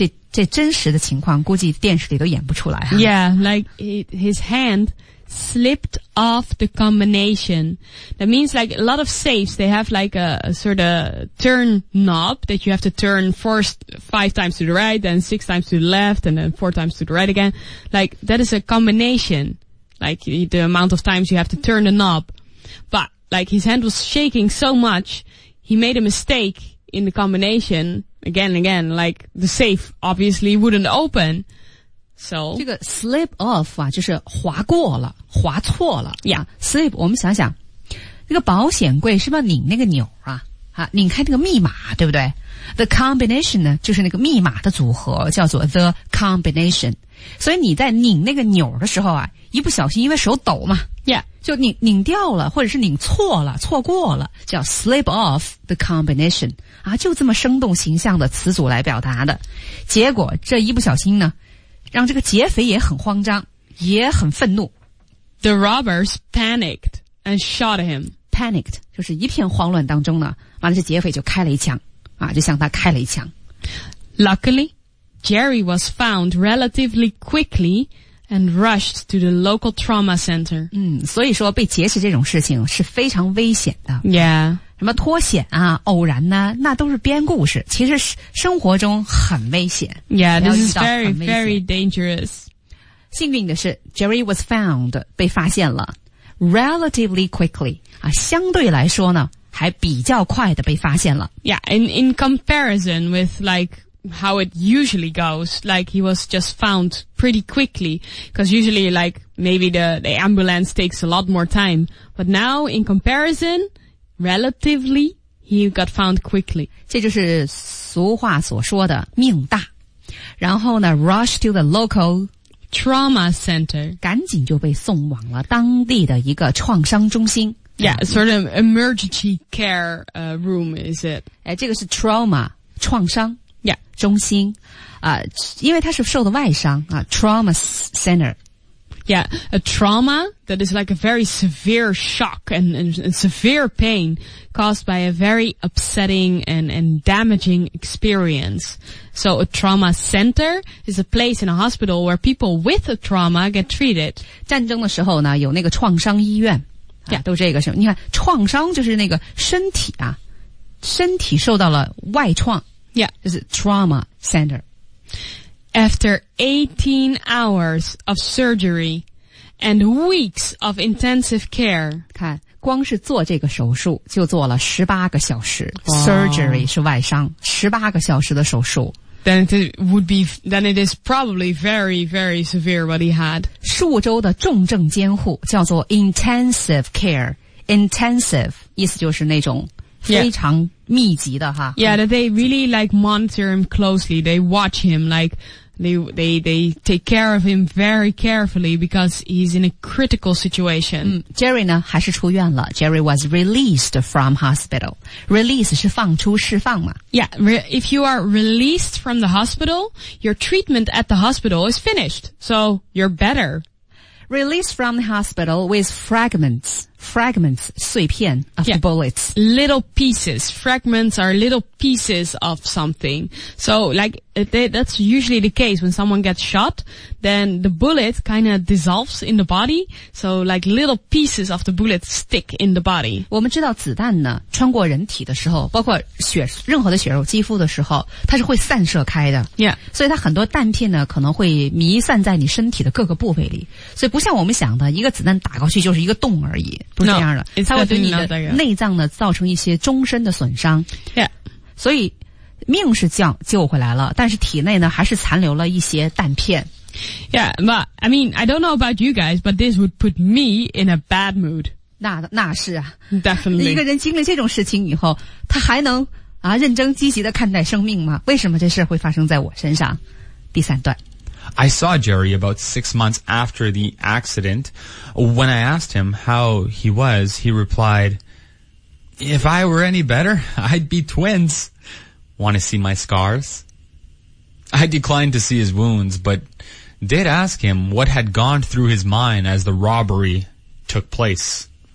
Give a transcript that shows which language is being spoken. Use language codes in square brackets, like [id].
[zh] 这真实的情况估计电视里都演不出来。 [en] Yeah, like his hand slipped off the combination. That means like a lot of safes, they have like a sort of turn knob that you have to turn first 5 times to the right, then 6 times to the left, and then 4 times to the right again. Like that is a combination, like the amount of times you have to turn the knob. But like his hand was shaking so much, he made a mistake in the combination. Again, like the safe obviously wouldn't open. So, [zh] 这个 slip off 啊，就是滑过了，滑错了。 [en] Yeah, [zh] slip, 我们想想，那个保险柜是不是拧那个钮啊？啊，拧开那个密码，对不对？ The combination 呢，就是那个密码的组合，叫做 the combination。所以你在拧那个钮的时候啊，一不小心，因为手抖嘛。 [en] Yeah, [zh] 就拧掉了，或者是拧错了，错过了，叫 [en] slip off the combination。 [zh] 啊，就这么生动形象的词组来表达的，结果这一不小心呢，让这个劫匪也很慌张，也很愤怒。 [en] The robbers panicked and shot him. [zh] Panicked 就是一片慌乱当中呢，完了这劫匪就开了一枪，啊，就向他开了一枪。 [en] Luckily, Jerry was found relatively quickly and rushed to the local trauma center. [zh] 所以说被劫持这种事情是非常危险的。 [en] Yeah. [zh] 什么脱险啊，偶然呢，那都是编故事。其实生活中很危险。 [en] Yeah, this is very, very dangerous. [zh] 幸运的是 , [en] Jerry was found, [zh] 被发现了。 [en] Relatively quickly, [zh] 啊，相对来说呢还比较快的被发现了。 [en] Yeah, in comparison with like how it usually goes, like he was just found pretty quickly, because usually like maybe the ambulance takes a lot more time. But now, in comparison,Relatively, he got found quickly. [zh] 这就是俗话所说的命大。然后呢 [en] ,rush to the local trauma center. [zh] 赶紧就被送往了当地的一个创伤中心。 [en] Yeah, sort of emergency care, room, is it? [zh] 哎，这个是 trauma, 创伤。 [en] Yeah. [zh] 中心。因为他是受的外伤啊 ,trauma center. [en] Yeah, a trauma that is like a very severe shock and severe pain caused by a very upsetting and damaging experience. So a trauma center is a place in a hospital where people with a trauma get treated. [zh] 战争的时候呢，有那个创伤医院。 [en] Yeah. [zh] 都这个什么。你看，创伤就是那个身体啊，身体受到了外创。 [en] Yeah. [zh] 就是 trauma center. [en] After 18 hours of surgery and weeks of intensive care. [zh] 看光是做这个手术就做了18个小时。 [en] Wow. [zh] Surgery 是外伤 ,18 个小时的手术。 [en] Then it is probably very, very severe what he had. [zh] 数周的重症监护叫做 intensive care. Intensive, 意思就是那种非常密集的哈。 [en] Yeah, that they really like monitor him closely. They watch him like they take care of him very carefully because he's in a critical situation.、 [zh] Jerry 呢还是出院了。 [en] Jerry was released from hospital. [zh] Release 是放出释放嘛。 [en] Yeah, if you are released from the hospital, your treatment at the hospital is finished. So you're better. Released from the hospital with fragments. Fragments, [zh] 碎片 [en] of yeah, bullets. Little pieces. Fragments are little pieces of something. So, like, that's usually the case when someone gets shot, then the bullet kind of dissolves in the body. So, like, little pieces of the bullet stick in the body. [zh] 我们知道子弹呢，穿过人体的时候，包括血，任何的血肉肌肤的时候，它是会散射开的。 [en] Yeah. [zh] 所以它很多弹片呢，可能会弥散在你身体的各个部位里。所以不像我们想的，一个子弹打过去就是一个洞而已。不是这样的 [en] no, [zh] 它会对你的内脏呢造成一些终身的损伤、 [en] yeah. [zh] 所以命是救回来了但是体内呢还是残留了一些弹片 [en] Yeah, but I mean, I don't know about you guys, but this would put me in a bad mood [zh] 那是啊 [en] Definitely [zh] 一个人经历这种事情以后他还能啊认真积极地看待生命吗为什么这事会发生在我身上第三段 [en] I saw Jerry about 6 months after the accident. When I asked him how he was, he replied, "If I were any better, I'd be twins. Want to see my scars?" I declined to see his wounds, but did ask him what had gone through his mind as the robbery took place.